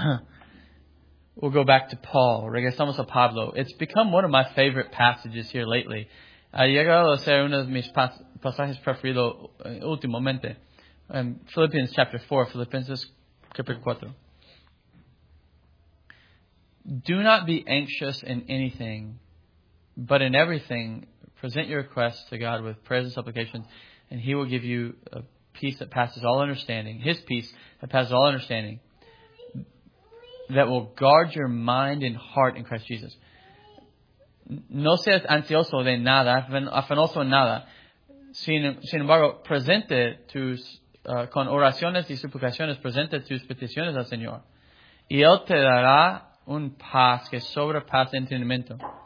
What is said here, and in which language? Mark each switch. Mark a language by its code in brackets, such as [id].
[en] So, we'll go back to Paul. [es] Regresamos a Pablo. [en] It's become one of my favorite passages here lately. [es] Ha llegado a ser uno de mis pasajes preferidos últimamente. [en] Philippians chapter 4, Philippians chapter 4. Do not be anxious in anything, but in everything, present your requests to God with prayers and supplications, and He will give you a peace that passes all understanding, His peace that passes all understanding, that will guard your mind and heart in Christ Jesus. [es] No seas ansioso de nada, afanoso en nada. Sin embargo, presente tus, con oraciones y suplicaciones, presente tus peticiones al Señor. Y Él te dará un paz que sobrepasa el entendimiento.